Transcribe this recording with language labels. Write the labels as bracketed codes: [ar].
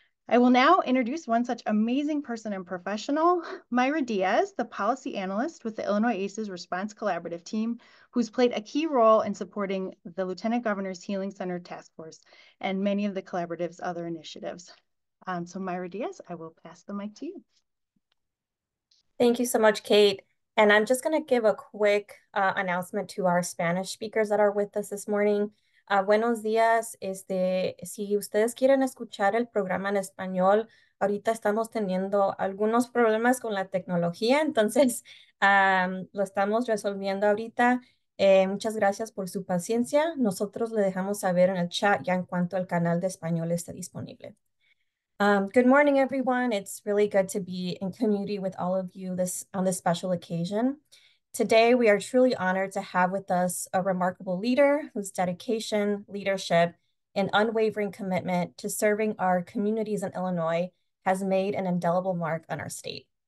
[en] I will now introduce one such amazing person and professional, Myra Diaz, the policy analyst with the Illinois ACEs Response Collaborative team, who's played a key role in supporting the Lieutenant Governor's Healing Center Task Force and many of the collaborative's other initiatives. So Myra Diaz, I will pass the mic to you. Thank you so much, Kate. And I'm just going to give a quick announcement to our Spanish speakers that are with us this morning. [es] Buenos días. Si ustedes quieren escuchar el programa en español, ahorita estamos teniendo algunos problemas con la tecnología, entonces lo estamos resolviendo ahorita. Muchas gracias por su paciencia. Nosotros le dejamos saber en el chat ya en cuanto el canal de español esté disponible. [en] Good morning, everyone. It's really good to be in community with all of you on this special occasion. Today, we are truly honored to have with us a remarkable leader whose dedication, leadership, and unwavering commitment to serving our communities in Illinois has made an indelible mark on our state.